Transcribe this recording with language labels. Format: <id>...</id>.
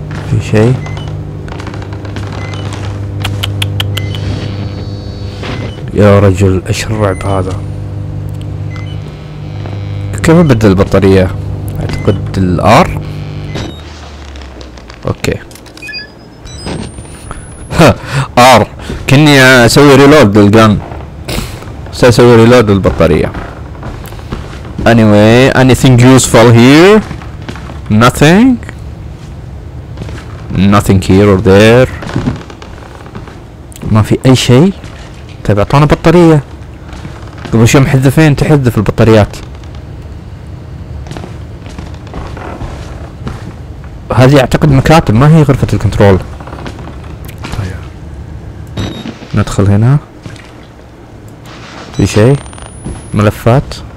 <ar>في شيء؟ يا رجل ايش الرعب هذا؟ كيف بدل البطارية؟ اعتقد الار. اوكي ار كني اسوي ريلود للجن. ساسوي ريلود للبطارية.</ar> <en>anyway anything useful here? nothing nothing here or there.</en> <ar>ما في اي شيء. طيب اعطونا بطارية. قبل شو محذفين تحذف البطاريات. هذه اعتقد مكاتب ما هي غرفة الكنترول. ندخل هنا. في شيء؟ ملفات.</ar>